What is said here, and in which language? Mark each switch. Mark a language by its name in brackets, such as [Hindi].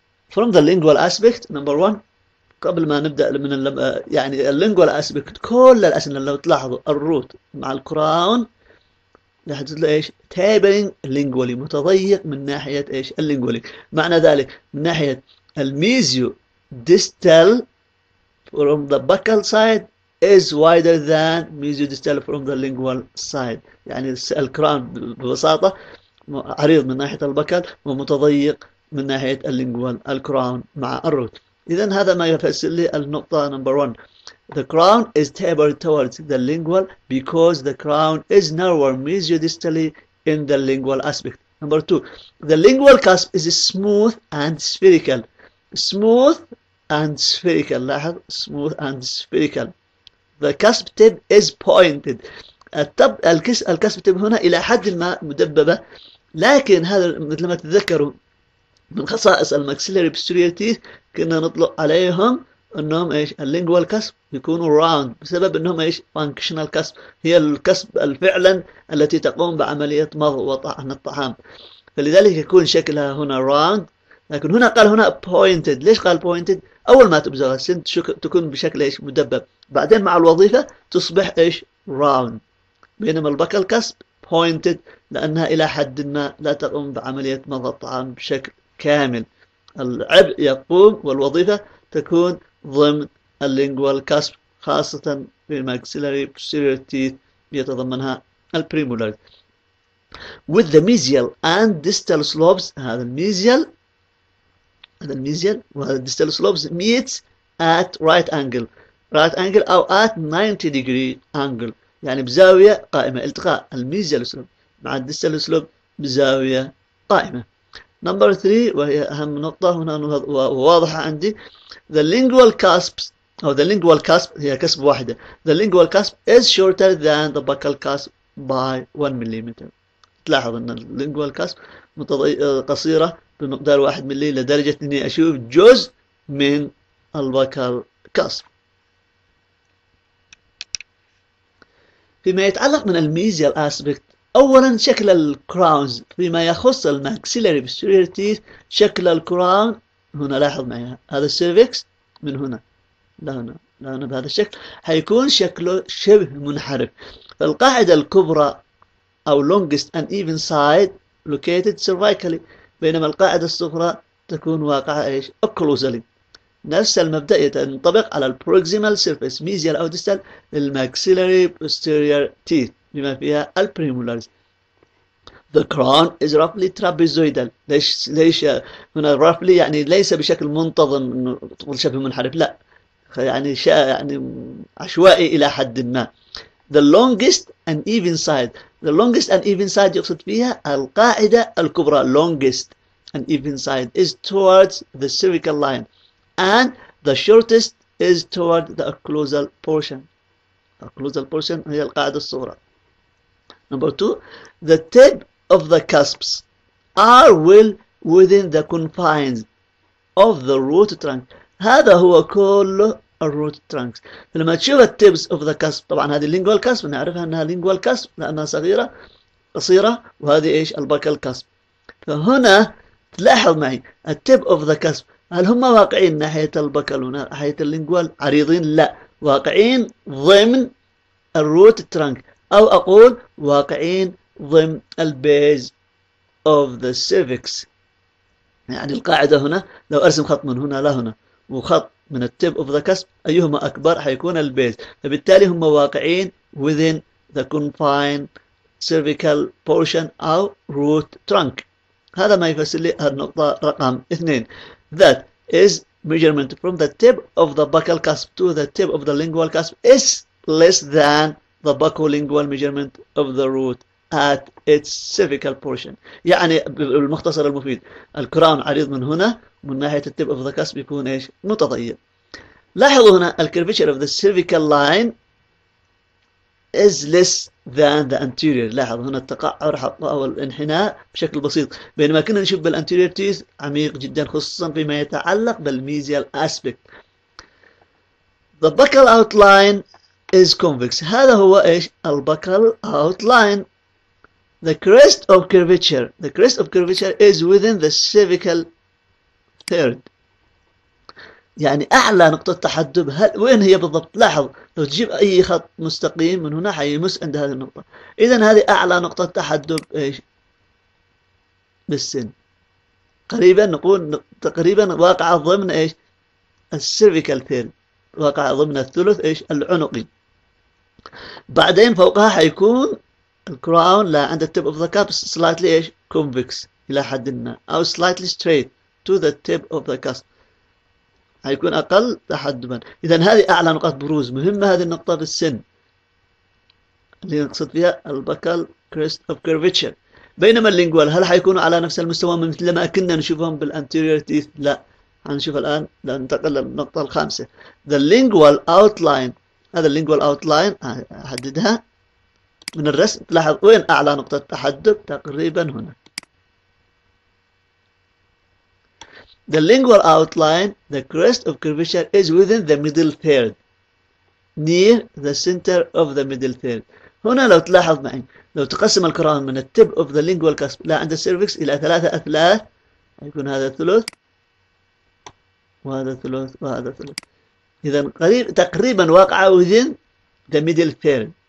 [English] From the lingual aspect, number one, [Arabic] قبل ما نبدأ من يعني اللينجوال اسبكت، كل الأسنان لو تلاحظوا الروت مع الكراون راح تحدد له ايش؟ تابرنج لينجولي، متضيق من ناحية ايش؟ اللينجولي. معنى ذلك من ناحية الميزيو ديستال [English] from the buccal side is wider than mesiodistal from the lingual side. [Arabic] يعني الكراون ببساطة عريض من ناحية البكال ومتضيق من ناحية اللينجوال الكراون مع الروت. إذن هذا ما يفسر لي النقطة نمبر 1. [English] The crown is tapered towards the lingual because the crown is narrower mesiodistally in the lingual aspect. Number 2. The lingual cusp is smooth and spherical. Smooth and spherical. لاحظ smooth and spherical. The cusp tip is pointed. [Arabic] الكسب tip هنا إلى حد ما مدببة. لكن هذا مثل ما تتذكروا من خصائص المكسيلري بوستيريور تيث كنا نطلق عليهم انهم ايش؟ اللينجوال كسب يكونوا راوند بسبب انهم ايش؟ فانكشنال كسب، هي الكسب فعلا التي تقوم بعمليه مضغ وطحن الطعام. فلذلك يكون شكلها هنا راوند، لكن هنا قال هنا بوينتد. ليش قال بوينتد؟ اول ما تبزغ السن تكون بشكل ايش؟ مدبب، بعدين مع الوظيفه تصبح ايش؟ راوند. بينما البكال كسب بوينتد لانها الى حد ما لا تقوم بعمليه مضغ الطعام بشكل كامل. العبء يقوم والوظيفة تكون ضمن اللينجوال كاسب، خاصة في الماكسيلاري بوستيريور تيث يتضمنها البريمولار. [English] With the mesial and distal slopes، [Arabic] هذا الميزيال وهذا الديستال سلوبس [English] meets at right angle، right angle أو at 90 degree angle، [Arabic] يعني بزاوية قائمة. التقاء الميزيال سلوب مع الديستال سلوب بزاوية قائمة. [English] Number three [Arabic] وهي أهم نقطة هنا وواضحة عندي. [English] The lingual cusp أو the lingual cusp [Arabic] هي كسب واحدة. [English] The lingual cusp is shorter than the buccal cusp by 1 millimeter. [Arabic] تلاحظ أن ال lingual cusp قصيرة بمقدار 1 ملي لدرجة أني أشوف جزء من ال buccal cusp. فيما يتعلق من الميزيال aspect، اولا شكل الكراونز فيما يخص الماكسيلاري بوستيريور تيث، شكل الكراون هنا لاحظ معي هذا السيرفكس من هنا لهنا لهنا بهذا الشكل، هيكون شكله شبه منحرف. القاعده الكبرى او [English] longest and even side located cervically، [Arabic] بينما القاعده الصغرى تكون واقعه ايش؟ occlusally. نفس المبدأ ينطبق على البروكسيمال سيرفيس ميزيال او ديستال للماكسيلاري بوستيريور تيث بما فيها البريمولارز. [English] The crown is roughly trapezoidal. [Arabic] ليش هنا roughly؟ يعني ليس بشكل منتظم انه شبه منحرف، لا يعني عشوائي الى حد ما. [English] The longest and even side. The longest and even side [Arabic] يقصد فيها القاعده الكبرى. [English] Longest and even side is towards the cervical line. And the shortest is toward the occlusal portion. [Arabic] Occlusal portion هي القاعده الصغرى. [English] Number two, the tip of the cusps are well within the confines of the root trunk. [Arabic] هذا هو كله الروت ترانكس. لما تشوف التيبس اوف ذا كاسب، طبعا هذه لينجوال كاسب نعرفها انها لينجوال كاسب لانها صغيره قصيره، وهذه ايش؟ البكال كاسب. فهنا تلاحظ معي التيب اوف ذا كاسب، هل هم واقعين ناحيه البكال وناحيه اللينجوال عريضين؟ لا، واقعين ضمن الروت ترانك، أو أقول واقعين ضمن البيز [English] of the cervix. [Arabic] يعني القاعدة هنا لو أرسم خط من هنا لهنا وخط من التيب [English] of the cusp، [Arabic] أيهما أكبر؟ حيكون البيز. فبالتالي هم واقعين [English] within the confined cervical portion أو root trunk. [Arabic] هذا ما يفسر لي النقطة رقم 2. [English] That is measurement from the tip of the buccal cusp to the tip of the lingual cusp is less than the buccolingual measurement of the root at its cervical portion. [Arabic] يعني بالمختصر المفيد الكراون عريض من هنا، من ناحيه التيب اوف ذا كاسب بيكون ايش؟ متضيق. لاحظوا هنا الكيرفيتشر اوف ذا سيرفيكال لاين [English] is less than the anterior. [Arabic] لاحظ هنا التقعر راح او الانحناء بشكل بسيط، بينما كنا نشوف بالانتيريور تيث عميق جدا، خصوصا فيما يتعلق بالميزيال اسبكت. [English] The buccal outline is convex. [Arabic] هذا هو ايش؟ البكال outline. [English] The crest of curvature. The crest of curvature is within the cervical third. [Arabic] يعني أعلى نقطة تحدب، هل وين هي بالضبط؟ لاحظ لو تجيب أي خط مستقيم من هنا حيمس عند هذه النقطة. إذا هذه أعلى نقطة تحدب إيش؟ بالسن. قريبا نقول تقريبا واقعة ضمن إيش؟ السيرفيكال ثيل، واقعة ضمن الثلث إيش؟ العنقي. بعدين فوقها حيكون الكراون، لا عند التيب أوف ذا كاب سلايتلي إيش؟ كونفكس إلى حد ما، أو سلايتلي ستريت تو ذا تيب أوف ذا كاست. هيكون أقل تحدبا. إذا هذه أعلى نقاط بروز، مهمة هذه النقطة في السن اللي نقصد فيها البكال كريست أوف كيرفيتشر. بينما اللينجوال هل حيكون على نفس المستوى مثل ما كنا نشوفهم بالأنتيريور تيث؟ لا، هنشوف الآن ننتقل للنقطة الخامسة. [English] The lingual outline، [Arabic] هذا اللينجوال outline أحددها من الرسم. لاحظ وين أعلى نقطة تحدب؟ تقريبا هنا. [English] The lingual outline, the crest of curvature is within the middle third, near the center of the middle third. [Arabic] هنا لو تلاحظ معي، لو تقسم الكراون من التب [English] of the lingual cusp [Arabic] لا عند السيرفكس إلى ثلاثة أثلاث، يكون هذا ثلث وهذا ثلث وهذا ثلث. إذا قريب تقريبا واقع [English] within the middle third.